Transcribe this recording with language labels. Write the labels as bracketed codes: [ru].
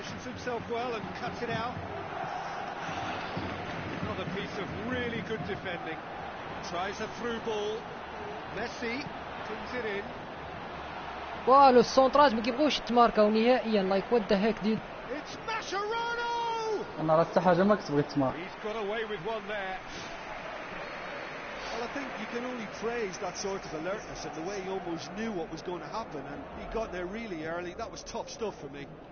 [en] Positions himself well and cuts it out. A piece of really good defending. Tries a through ball. Messi brings it in. Wow, the [ar] centrage ما كيبغوش يتماركاو نهائيا. [en] Like what the heck, dude? It's Mascherano. [ar] أنا رأيت حاجة ما كتبغي تمارك. [en] He's got away with one there. Well, I think you can only praise that sort of alertness and the way he almost knew what was going to happen and he got there really early. That was top stuff for me.